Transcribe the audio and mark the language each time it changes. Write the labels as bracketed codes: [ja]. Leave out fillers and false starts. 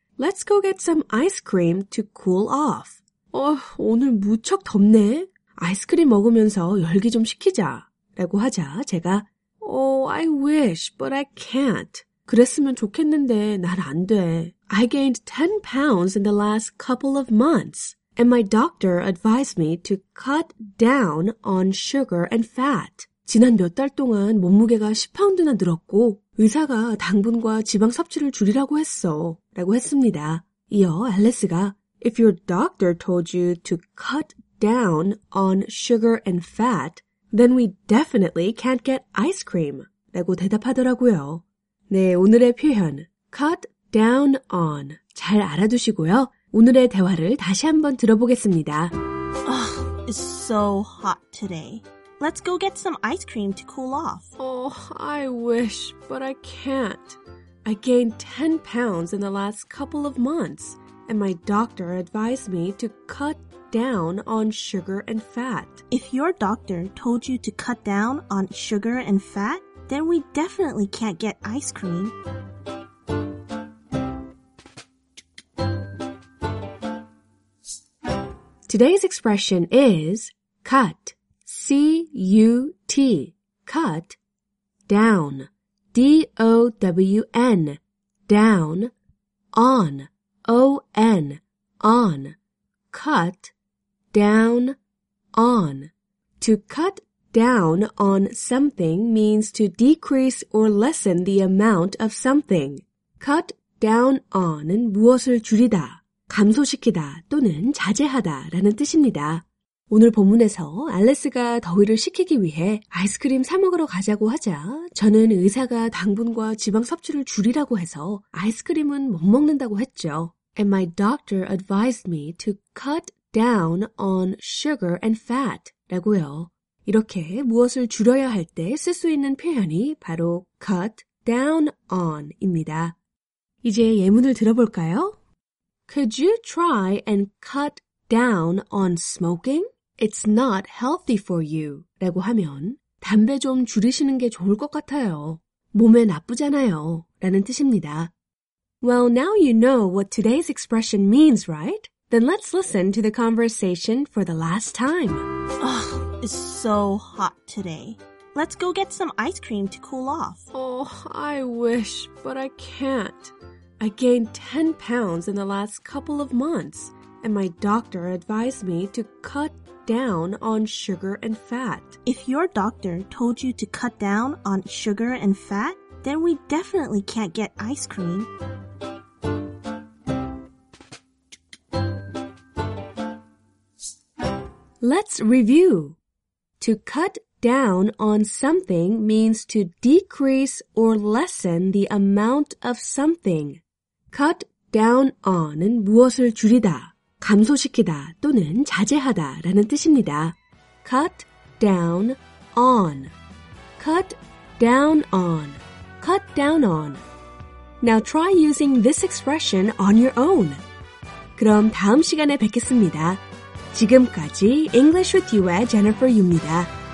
[en] Let's go get some ice cream to cool off. [ko] 오늘 무척 덥네. 아이스크림 먹으면서 열기 좀 식히자. 라고 하자 제가 [en] Oh, I wish, but I can't. [ko] 그랬으면 좋겠는데 난 안 돼. [en] I gained 10 pounds in the last couple of months, and my doctor advised me to cut down on sugar and fat. [ko] 지난 몇 달 동안 몸무게가 10파운드나 늘었고 의사가 당분과 지방 섭취를 줄이라고 했어. 라고 했습니다. 이어 앨리스가 [en] If your doctor told you to cut down on sugar and fat, then we definitely can't get ice cream. [ko] 라고 대답하더라고요. 네, 오늘의 표현 cut down on 잘 알아두시고요. 오늘의 대화를 다시 한번 들어보겠습니다. [en] Oh, it's so hot today. Let's go get some ice cream to cool off. Oh, I wish, but I can't. I gained 10 pounds in the last couple of months, and my doctor advised me to cut down on sugar and fat. If your doctor told you to cut down on sugar and fat, then we definitely can't get ice cream. 'Today's expression is cut. C-U-T, cut, down, D-O-W-N, down, on, O-N, on, cut, down, on. To cut down on something means to decrease or lessen the amount of something. [ko] Cut down on은 무엇을 줄이다, 감소시키다 또는 자제하다 라는 뜻입니다. 오늘 본문에서 알리스가 더위를 식히기 위해 아이스크림 사 먹으러 가자고 하자 저는 의사가 당분과 지방 섭취를 줄이라고 해서 아이스크림은 못 먹는다고 했죠. [en] And my doctor advised me to cut down on sugar and fat [ko] 라고요. 이렇게 무엇을 줄여야 할 때 쓸 수 있는 표현이 바로 cut down on 입니다. 이제 예문을 들어볼까요? [en] Could you try and cut down on smoking? It's not healthy for you. [ko] 라고 하면 담배 좀 줄이시는 게 좋을 것 같아요. 몸에 나쁘잖아요. 라는 뜻입니다. [en] Well, now you know what today's expression means, right? Then let's listen to the conversation for the last time. Ugh, it's so hot today. Let's go get some ice cream to cool off. Oh, I wish, but I can't. I gained 10 pounds in the last couple of months. And my doctor advised me to cut down on sugar and fat. If your doctor told you to cut down on sugar and fat, then we definitely can't get ice cream. Let's review. To cut down on something means to decrease or lessen the amount of something. [ko] Cut down on은 무엇을 줄이다. 감소시키다 또는 자제하다 라는 뜻입니다. [en] Cut down on. Cut down on. Cut down on. Now try using this expression on your own. [ko] 그럼 다음 시간에 뵙겠습니다. 지금까지 English with You의 Jennifer Yu입니다.